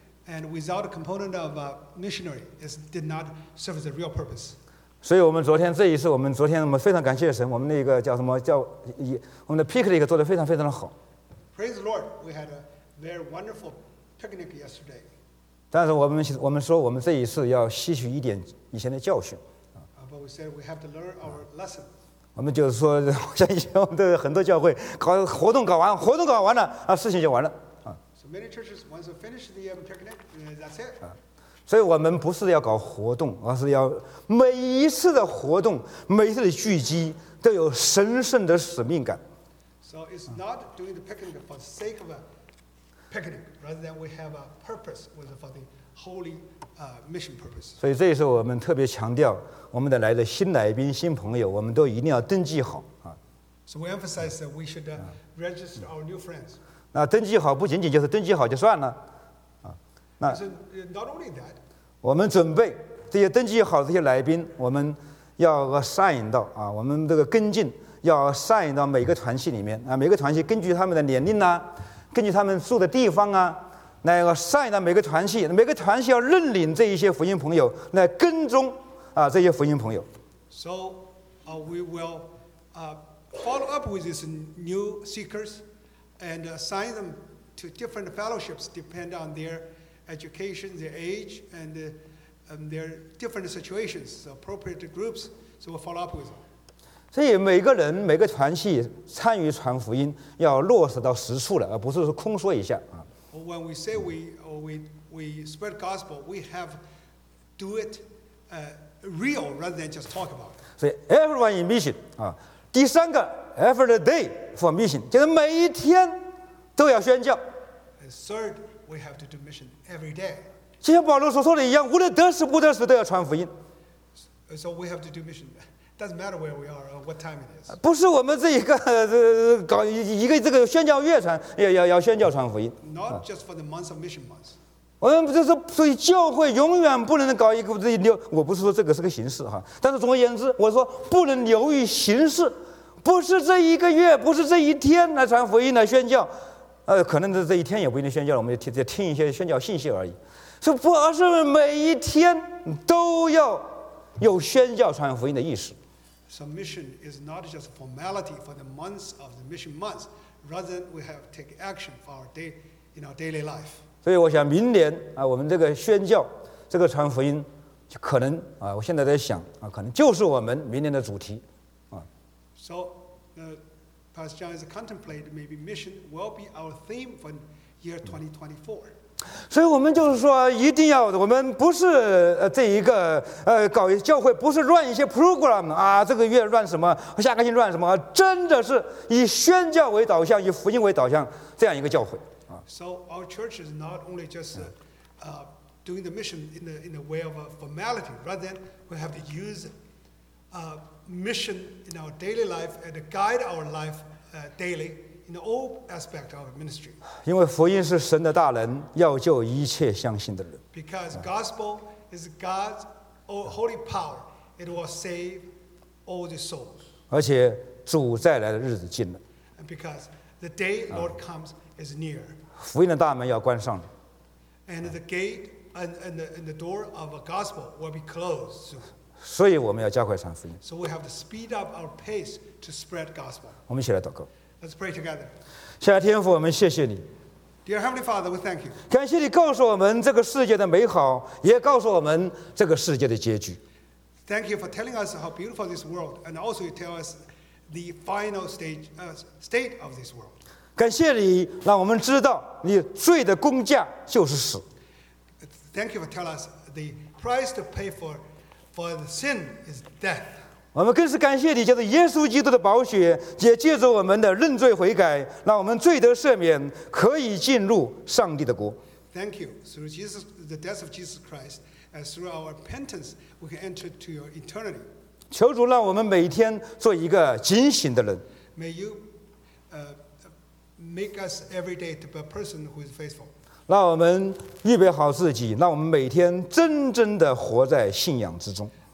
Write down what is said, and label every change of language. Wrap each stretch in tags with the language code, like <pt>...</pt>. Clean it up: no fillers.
<en>And without a component of a missionary, it did not serve as a real purpose.</en> <zh>所以我们昨天这一次，我们昨天我们非常感谢神，我们那个叫什么叫我们的 picnic 做得非常非常的好。</zh> <en>Praise the Lord, we had a very wonderful picnic yesterday.</en> <zh>但是我们说我们这一次要吸取一点以前的教训。</zh> <en>But we said we have to learn our lesson.</en> <zh>我们就是说，像以前我们的很多教会搞活动搞完，活动搞完了啊，事情就完了。</zh> <en>Many churches once they finish the picnic, that's it.</en> <zh>所以我们不是要搞活动，而是要每一次的活动，每一次的聚集都有神圣的使命感。</zh> <en>So it's not doing the picnic for the sake of a picnic, rather than we have a purpose with for the holy mission purpose.</en> <zh>所以这也是我们特别强调，我们的来的新来宾、新朋友，我们都一定要登记好啊。</zh> <en>So we emphasize that we should register our new friends.</en> <zh>那登记好不仅仅就是登记好就算了，</zh> <en>那 not only that,</en> <zh>我们准备这些登记好的这些来宾，我们要 assign 到啊，我们这个跟进要 assign 到每个团系里面啊，每个团系根据他们的年龄啊，根据他们住的地方啊，那个 assign 到每个团系，每个团系要认领这一些福音朋友来跟踪啊，这些福音朋友。</zh> <en>So, we will follow up with these new seekers. And assign them to different fellowships depend on their education, their age, and their different situations, appropriate groups. So we'll follow up with them.</en> <zh>所以每个人每个团系参与传福音要落实到实处了，而不是说空说一下啊。</zh> <en>When we say we spread gospel, we have do it real rather than just talk about.</en> <zh>所以</zh> <en>everyone in mission</en> <zh>啊，第三个。</zh> <en>Every day for mission,</en> <zh>就是每一天都要宣教。</zh> <en>And third, we have to do mission every day.</en> <zh>就像保罗所说的一样，无论得死不得死，都要传福音。</zh> <en>So we have to do mission. Doesn't matter where we are or what time it is.</en> <zh>不是我们这一个搞一个这个宣教月传，要宣教传福音。</zh> <en>Not just for the months of mission months.</en> <zh>我们就是所以教会永远不能搞一个这流。我不是说这个是个形式哈，但是总而言之，我说不能流于形式。不是这一个月，不是这一天来传福音来宣教，可能这一天也不一定宣教，我们就 听一些宣教信息而已。是不，而是每一天都要有宣教传福音的意识。</zh> <en>So mission is not just formality for the months of the mission months, rather we have to take action for our day in our daily life.</en> <zh>所以我想明年啊，我们这个宣教，这个传福音，就可能啊，我现在在想啊，可能就是我们明年的主题。</zh> <en>So, Pastor John is contemplating maybe mission will be our theme for year 2024.</en> <zh>所以我们就是说，一定要我们不是这一个搞教会不是乱一些 program 啊，这个月乱什么，下个星乱什么，真的是以宣教为导向，以福音为导向这样一个教会啊。</zh> <en>So our church is not only just doing the mission in the way of a formality, rather than we have to use. Mission in our daily life and guide our life daily in all aspects of our ministry.</en> <zh>因为福音是神的大能，要救一切相信的人。</zh> <en>Because gospel is God's holy power, it will save all the souls.</en> <zh>而且主再来的日子近了。</zh> <en>And because the day Lord comes is near.</en> <zh>福音的大门要关上了。</zh> <en>And the gate and the door of a gospel will be closed soon.</en> <zh>所以我们要加快传福音。</zh> <en>So we have to speed up our pace to spread gospel.</en> <zh>我们一起来祷告。</zh> <en>Let's pray together.</en> <zh>亲爱的天父，我们谢谢你。</zh> <en>Dear Heavenly Father, we thank you.</en> <zh>感谢你告诉我们这个世界的美好，也告诉我们这个世界的结局。</zh> <en>Thank you for telling us how beautiful this world, and also you tell us the final state of this world.</en> <zh>感谢你让我们知道你罪的工价就是死。</zh> <en>Thank you for telling us the price to pay for. For the sin is death.</en> <zh>我们更是感谢你，借着耶稣基督的宝血，也借着我们的认罪悔改，让我们罪得赦免，可以进入上帝的国。</zh> <en>Thank you. Through Jesus, the death of Jesus Christ, and through our repentance, we can enter to your eternity.</en> <zh>求主让我们每天做一个警醒的人。</zh> <en>May you make us every day to be a person who is faithful.</en> <zh>让我们预备好自己，让我们每天真正的活在信仰之中。</zh>